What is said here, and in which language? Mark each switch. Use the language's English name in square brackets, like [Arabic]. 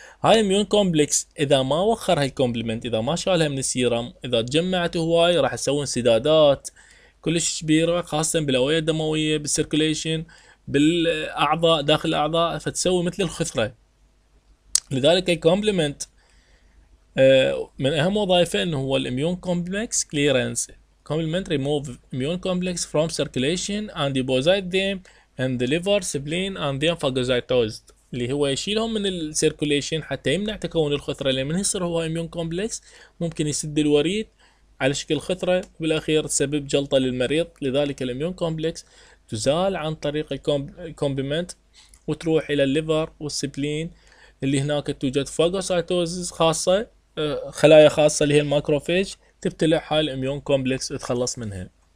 [Arabic] هاي اميون كومبلكس اذا ما وخر هالكومبلمنت اذا ما شالها من السيرم اذا تجمعت هواي راح يسوون سدادات كلش كبيره خاصه بالاوعيه الدمويه بالسيركوليشن بالاعضاء داخل الاعضاء فتسوي مثل الخثره. لذلك الكومبلمنت من اهم وظائفه انه هو الاميون كومبلكس كليرنس. [English] Complement remove immune complex from circulation and deposit them in the liver, spleen and then phagocytosed. [Arabic] اللي هو يشيلهم من ال circulation حتى يمنع تكون الخثرة، لأن من يصير هو immune complex ممكن يسد الوريد على شكل خثرة وبالأخير تسبب جلطة للمريض. لذلك ال immune complex تزال عن طريق complement وتروح إلى الليفر والسبلين اللي هناك توجد phagocytosis خاصة خلايا خاصة اللي هي الماكروفيج تبتلع هاي الاميون كومبلكس وتخلص منها.